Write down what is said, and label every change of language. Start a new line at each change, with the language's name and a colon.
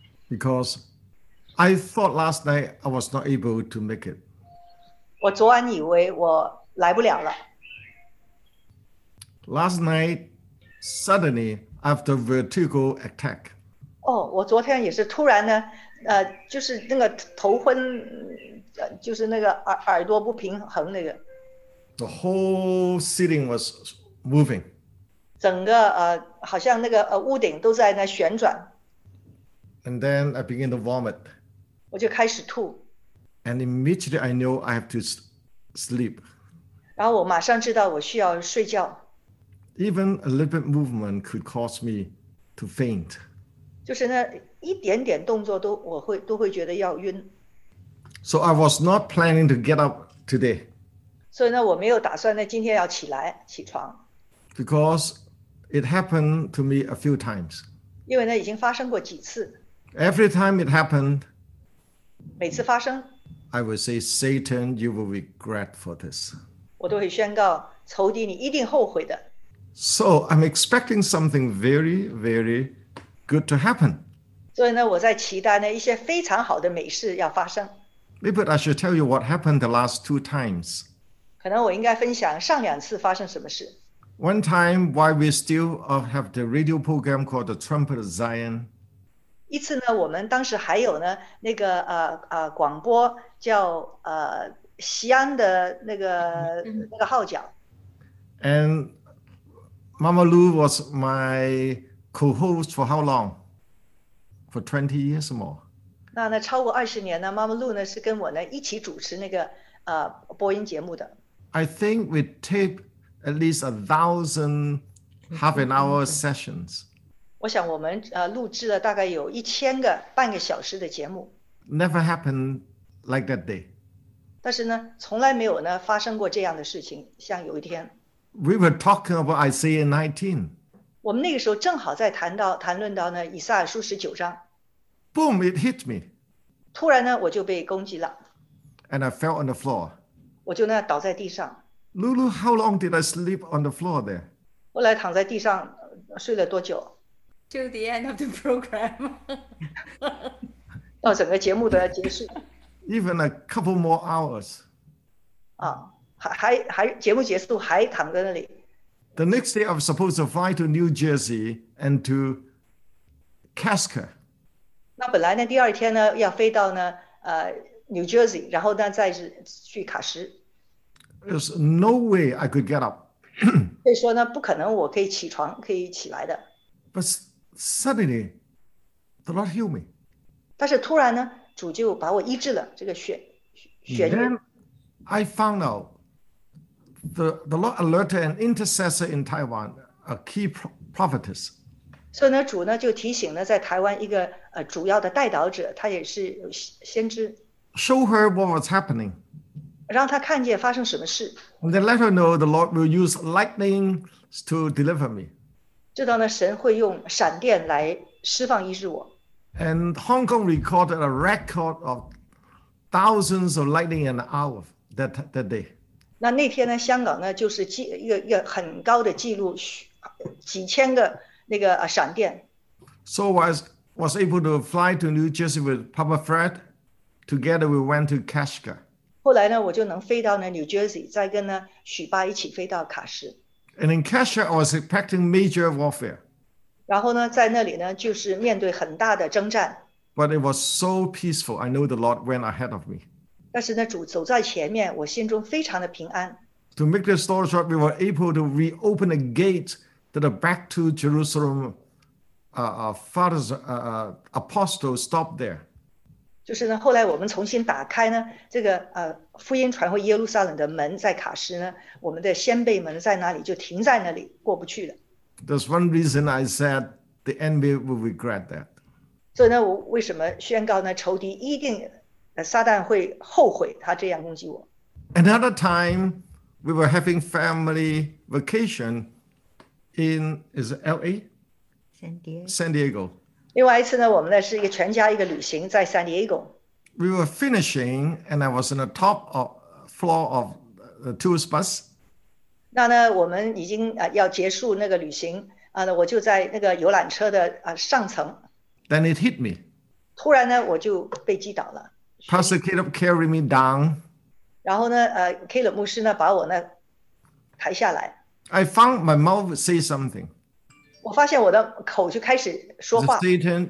English: Because I thought last night I was not able to make it.
Chinese: 我昨晚以为我来不了了。
English: Last night, suddenly, after vertigo attack.
Chinese: 哦，我昨天也是突然呢，就是那个头昏，就是那个耳朵不平衡那个，
English: The whole ceiling was moving.
Chinese: 整个好像那个屋顶都在那旋转，
English: And then I began to vomit.
Chinese: 我就开始吐，
English: And immediately I knew I have to sleep.
Chinese: 然后我马上知道我需要睡觉。
English: Even a little bit movement could cause me to faint.
Chinese: 就是那一点点动作都我都会觉得要晕，
English: So I was not planning to get up today.
Chinese: 所以呢，我没有打算呢今天要起床，
English: Because it happened to me a few times.
Chinese: 因为呢已经发生过几次，
English: Every time it happened,
Chinese: 每次发生，
English: I would say, Satan, you will regret for this.
Chinese: 我都会宣告仇敌，你一定后悔的。
English: So I'm expecting something very, very good to happen.
Chinese: 所以呢，我在期待呢一些非常好的美事要发生。
English: Maybe I should tell you what happened the last two times.
Chinese: 可能我应该分享上两次发生什么事。
English: One time, while we still have the radio program called the Trumpet of Zion,
Chinese: 一次呢，我们当时还有呢那个广播叫西安的那个号角。
English: and Mama Lou was my co-host for how long? For 20 years or more.
Chinese: 那超过20年呢，妈妈露呢是跟我呢一起主持那个播音节目的。
English: I think we tape at least 1,000 half an hour sessions.
Chinese: 我想我们录制了大概有1000个半个小时的节目，
English: Never happened like that day.
Chinese: 但是呢从来没有呢发生过这样的事情。像有一天，
English: We were talking about Isaiah 19.
Chinese: 我们那个时候正好在谈论到呢以赛亚书19章。
English: Boom, it hit me.
Chinese: 突然呢，我就被攻击了，
English: And I fell on the floor.
Chinese: 我就那样倒在地上。
English: Lulu, how long did I sleep on the floor there?
Chinese: 后来躺在地上睡了多久？
English: Till the end of the program.
Chinese: 到整个节目都要结束。
English: Even a couple more hours.
Chinese: ，还节目结束还躺在那里。
English: The next day, I was supposed to fly to New Jersey and to Casca.
Chinese: 那本来呢，第二天呢要飞到呢，New Jersey，然后呢再是去喀什。
English: There's no way I could get up.
Chinese: 所以说呢，不可能我可以起床，可以起来的。
English: But suddenly, the Lord healed me.
Chinese: 但是突然呢，主就把我医治了，这个眩晕。
English: Then I found out. The Lord alerted an intercessor in Taiwan, a key prophetess.
Chinese: 所以呢，主呢就提醒了在台湾一个主要的代祷者，他也是先知，
English: Show her what was happening.
Chinese: 让他看见发生什么事。
English: And then let her know the Lord will use lightning to deliver me.
Chinese: 知道呢，神会用闪电来释放医治我。
English: And Hong Kong recorded a record of thousands of lightning in an hour that day.
Chinese: 那天呢，香港呢就是一个很高的记录，几千个。那个闪电，
English: So I was able to fly to New Jersey with Papa Fred. Together we went to Kashgar.
Chinese: 后来呢，我就能飞到那 New Jersey，再跟呢许巴一起飞到喀什。
English: And in Kashgar, I was expecting major warfare.
Chinese: 然后呢，在那里呢，就是面对很大的征战。
English: But it was so peaceful. I know the Lord went ahead of me.
Chinese: 但是呢，主走在前面，我心中非常的平安。
English: To make the story short, we were able to reopen a gate that are back to Jerusalem. Our father's apostle stopped there.
Chinese: 就是呢，后来我们重新打开呢，这个福音传回耶路撒冷的门在喀什呢，我们的先辈们在哪里就停在那里，过不去了。
English: There's one reason I said the enemy will regret that.
Chinese: 所以呢，我为什么宣告呢？仇敌一定，撒旦会后悔他这样攻击我。
English: Another time, we were having family vacation in is LA. San Diego. San Diego.
Chinese: 另外一次呢，我们呢是一个全家一个旅行在San Diego.
English: We were finishing, and I was in the top of, floor of the tourist bus.
Chinese: 那呢，我们已经要结束那个旅行，我就在那个游览车的上层。
English: Then it hit me.
Chinese: 突然呢，我就被击倒了。
English: Pastor Caleb carried me down.
Chinese: 然后呢，Caleb牧师呢把我呢抬下来。
English: I found my mouth say something.
Chinese: 我发现我的口就开始说话。Satan,